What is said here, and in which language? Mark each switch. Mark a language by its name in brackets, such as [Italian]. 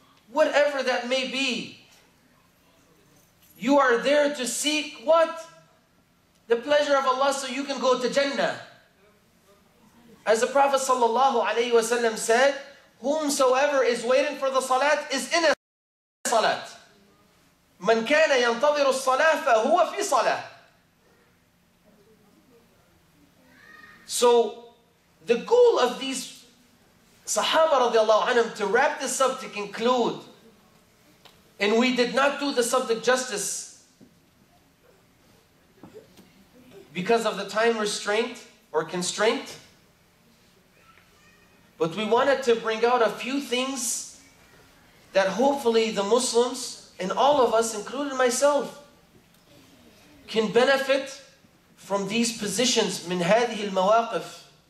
[English] whatever that may be. You are there to seek what? The pleasure of Allah so you can go to Jannah. As the Prophet sallallahu alayhi wa sallam said, whomsoever is waiting for the salat is in a salat. [Arabic] من كان ينتظر الصلاة فهو في صلاة. [English] So, the goal of these Sahaba radiallahu anhum, to wrap this up, to conclude, and we did not do the subject justice because of the time restraint or constraint, but we wanted to bring out a few things that hopefully the Muslims and all of us, including myself, can benefit from these positions, [Arabic] من هذه المواقف.